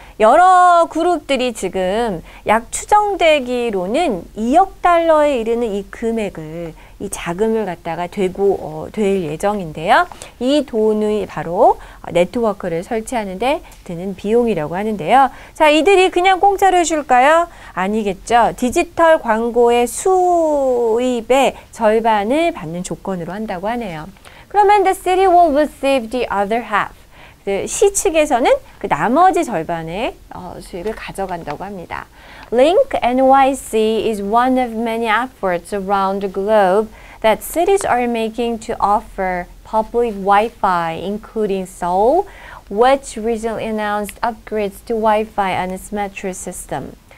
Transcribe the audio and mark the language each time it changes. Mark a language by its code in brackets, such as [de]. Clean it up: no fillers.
[ko] 여러 그룹들이 지금 약 추정되기로는 2억 달러에 이르는 이 금액을 이 자금을 갖다가 될 예정인데요. 이 돈이 바로 네트워크를 설치하는데 드는 비용이라고 하는데요. 자, 이들이 그냥 공짜로 해줄까요? 아니겠죠. 디지털 광고의 수입의 절반을 받는 조건으로 한다고 하네요. 그러면 [en] the city will receive the other half. [ko] 시 측에서는 그 나머지 절반의 수익을 가져간다고 합니다. [en] Link NYC is one of many efforts around the globe that cities are making to offer public Wi-Fi, including Seoul, which recently announced upgrades to Wi-Fi on its metro system.